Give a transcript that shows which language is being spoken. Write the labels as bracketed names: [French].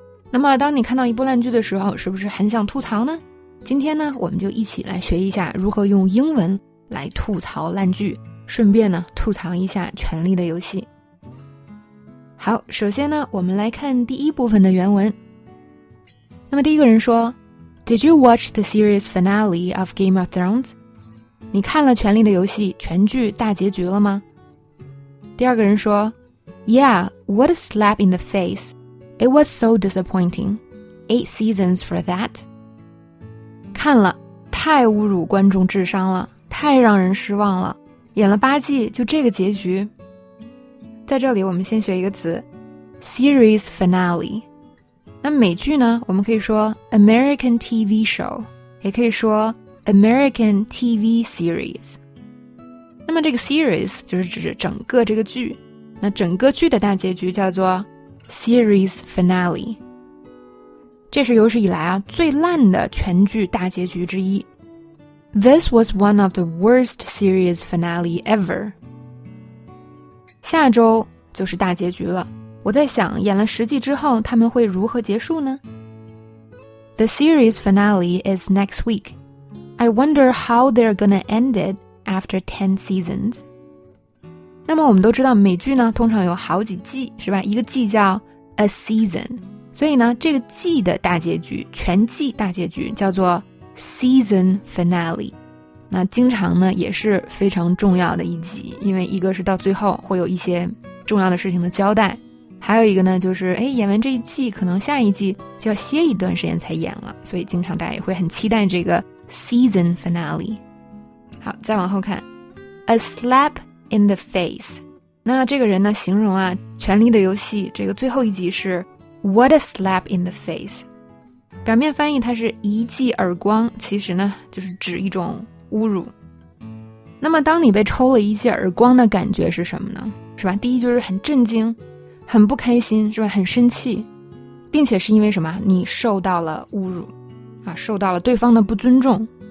[Chinese] 那么当你看到一部烂剧的时候，是不是很想吐槽呢？今天呢，我们就一起来学一下如何用英文来吐槽烂剧，顺便呢，吐槽一下《权力的游戏》。好，首先呢，我们来看第一部分的原文。那么第一个人说 [English] Did you watch the series finale of Game of Thrones? [Chinese] 你看了《权力的游戏》全剧大结局了吗？第二个人说 [English] Yeah, what a slap in the face. It was so disappointing. 8 seasons for that. [Chinese] 看了，太侮辱观众智商了，太让人失望了，演了八季就这个结局。在这里我们先学一个词 Series Finale。那美剧呢，我们可以说 American TV Show， 也可以说 American TV Series。那么这个 Series 就是指整个这个剧，那整个剧的大结局叫做 Series Finale。这是有史以来啊最烂的全剧大结局之一。 [English] This was one of the worst series finale ever。 [Chinese] 下周就是大结局了，我在想演了十季之后他们会如何结束呢？ [English] The series finale is next week. I wonder how they're gonna end it after 10 seasons. [Chinese] 那么我们都知道美剧呢通常有好几季，是吧？一个季叫 a season， 所以呢这个季的大结局，全季大结局叫做 season finale。那经常呢也是非常重要的一集，因为一个是到最后会有一些重要的事情的交代，还有一个呢就是哎，演完这一季可能下一季就要歇一段时间才演了，所以经常大家也会很期待这个 season finale。好，再往后看 [English] a slap in the face。 [Chinese] 那这个人呢形容啊《权力的游戏》这个最后一集是 [English] what a slap in the face， [Chinese] 表面翻译它是一记耳光，其实呢就是指一种侮辱。那么当你被抽了一记耳光的感觉是什么呢？是吧，第一就是很震惊，很不开心，是吧，很生气，并且是因为什么，你受到了侮辱啊，受到了对方的不尊重。